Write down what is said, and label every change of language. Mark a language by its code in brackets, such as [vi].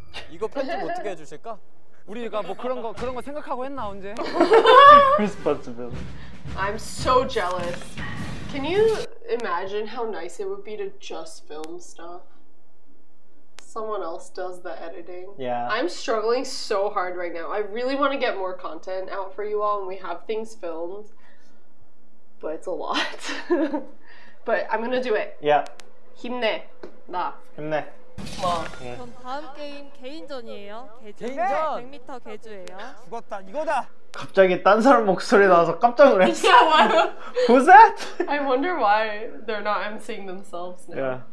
[ko] 이거 편집 어떻게 해주실까? 우리가 뭐 그런 거 생각하고 했나 언제? [en] Responsibility. I'm so jealous. Can you imagine how nice it would be to just film stuff? Someone else does the editing. Yeah. I'm struggling so hard right now. I really want to get more content out for you all, and we have things filmed, but it's a lot. But I'm gonna do it. Yeah. [ko] 힘내. 나. 힘내. 전 다음 게임 개인전이에요. 개인전 100m 개주예요. 죽었다 이거다. 갑자기 딴 사람 목소리 나와서 깜짝 놀랐어. [en] Yeah, why? Who's that? I wonder why they're not emceeing themselves now.